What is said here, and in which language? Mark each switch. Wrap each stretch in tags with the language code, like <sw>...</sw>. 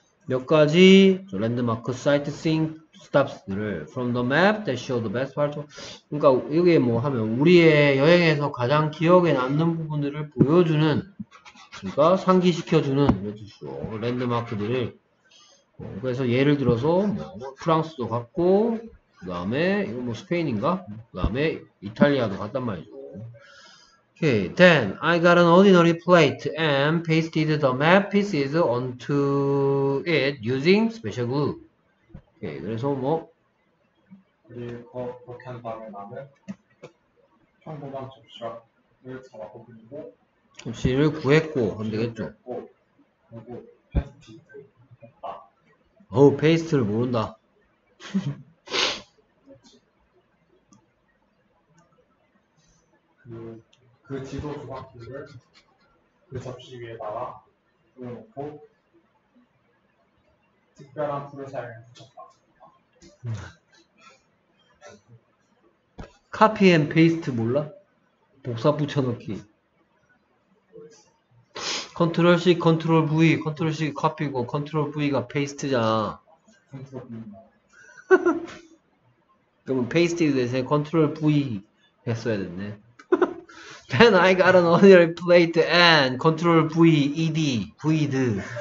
<ko>몇 가지 랜드마크 사이트 싱 스탑스들을</ko> <en>from the map that show the best part of,</en> <ko>그러니까 이게 뭐 하면 우리의 여행에서 가장 기억에 남는 부분들을 보여주는, 그러니까 상기시켜주는 뜻이죠. 랜드마크들을. 그래서 예를 들어서 뭐 프랑스도 갔고, 그 다음에 이거 뭐 스페인인가? 그 다음에 이탈리아도 갔단 말이죠.</ko> <en>Okay, then I got an ordinary plate and pasted the map pieces onto it using special glue.</en> <ko>Okay, 그래서 뭐? 우리 그렇게 한 다음에 나는 평범한 접시를 잡아버리고 접시를 구했고 하면 되겠죠. 그리고 페이스트를 했다. 오, 페이스트를 모른다. 그 지도 조각들을 그 접시 위에다가 올려놓고 특별한 풀을 사용해 붙였다. 카피 앤 페이스트 몰라? 복사 붙여넣기. 컨트롤 C, 컨트롤 V, 컨트롤 C 카피고 컨트롤 V가 페이스트잖아. 그럼 페이스트 대신 컨트롤 V 했어야 됐네.</ko> <en>Then I got an ordinary plate and control V, ED, V'd.</en>